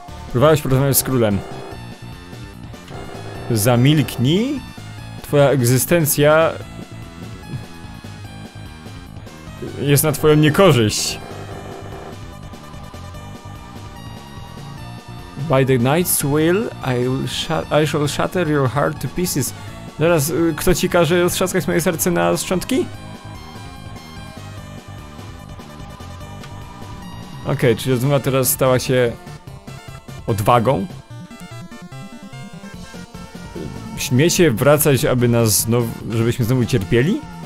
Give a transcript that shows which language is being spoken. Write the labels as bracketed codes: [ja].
[pl] Próbowałeś porozmawiać z królem. Zamilknij. Twoja egzystencja jest na twoją niekorzyść. [en] By the knight's will, I shall shatter your heart to pieces. [pl] Zaraz, kto ci każe roztrzaskać moje serce na szczątki? Okej, czyli rozmowa teraz stała się odwagą? Śmiecie wracać, aby nas znowu, żebyśmy znowu cierpieli?